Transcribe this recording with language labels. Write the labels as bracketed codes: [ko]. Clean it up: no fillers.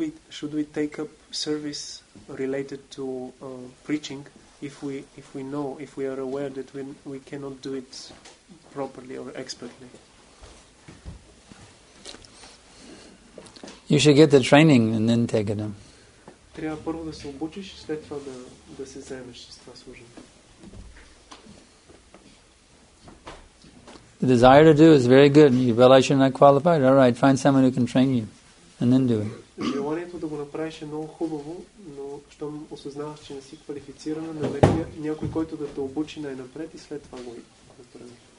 [en] Should we take up service related to preaching if we are aware that we cannot do it properly or expertly? You should get the training and then take it up. [bg] Трябва първо да се обучиш и след това да се заемеш с това служение. [en] The desire to do is very good. You realize you're not qualified. All right, find someone who can train you and then do it. [bg] Желанието да го направиш е много хубаво, но щом осъзнаваш, че не си квалифициран, намери някой, който да те обучи най-напред и след това го направи.